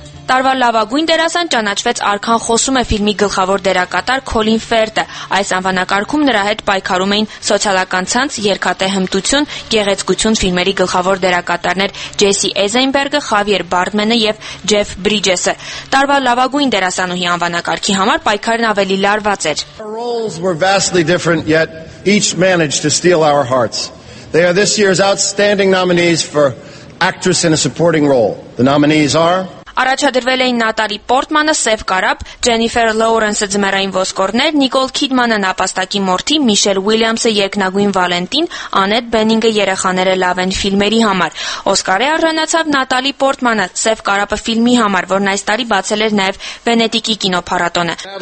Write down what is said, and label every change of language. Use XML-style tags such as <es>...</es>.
<hy>Տարվա լավագույն դերասան ճանաչվեց «Արքան խոսում է» ֆիլմի գլխավոր դերակատար Քոլին Ֆերթը։ Այս անվանակարգում նրա հետ պայքարում էին «Սոցիալական ցանց», «Երկաթե հմտություն», «Գեղեցկություն» ֆիլմերի գլխավոր դերակատարներ Ջեսի Էյզենբերգը, Խավիեր Բարդմենը և Ջեֆ Բրիջեսը։ Տարվա լավագույն դերասանուհի անվանակարգի համար պայքարն ավելի լարված էր։</hy> <en>The roles were vastly different, yet each managed to steal our hearts. They are this year's outstanding nominees for actress in a supporting role. The nominees are</en> <hy>Առաջադրվել էին Նատալի Պորտմանը Սև Կարապ, Ջենիֆեր Լոուրենսը Ձմեռային Ոսկորներ, Նիկոլ Քիդմանը Նապաստակի Մորթի, Միշել Ուիլյամսը Երկնագույն Վալենտին, Անետ Բենինգը Երեխաները լավ են ֆիլմերի համար։ Օսկարը առանցացավ Նատալի Պորտմանը Սև Կարապը ֆիլմի համար, որն այս տարի բացել էր նաև Վենետիկի կինոփառատոնը։</hy>